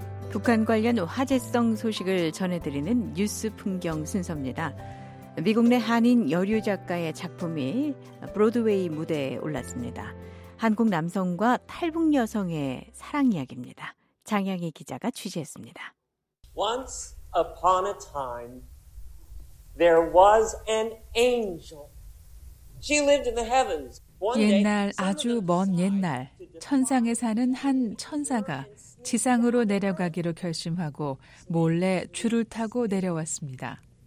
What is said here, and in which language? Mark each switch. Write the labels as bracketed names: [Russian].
[Korean] 북한 관련 화제성 소식을 전해드리는 뉴스 풍경 순서입니다. 미국 내 한인 여류 작가의 작품이 브로드웨이 무대에 올랐습니다. 한국 남성과 탈북 여성의 사랑 이야기입니다. 장양희 기자가 취재했습니다. [English] Once upon a time, there was an angel. She lived in the heavens. [Korean] 옛날 아주 먼 옛날 천상에 사는 한 천사가 지상으로 내려가기로 결심하고 몰래 줄을 타고 내려왔습니다.